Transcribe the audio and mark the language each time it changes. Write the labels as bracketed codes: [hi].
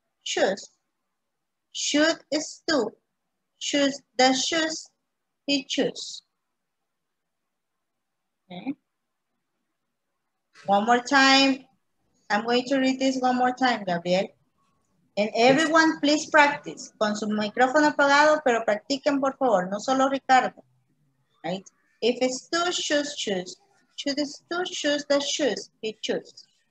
[en] Should Stu choose the shoes he choose? Okay. One more time. I'm going to read this one more time, Gabriel. And everyone, please practice. [es] Con su micrófono apagado, pero practiquen, por favor. No solo Ricardo. Right? [en] If Stu choose, should Stu choose the shoes he choose?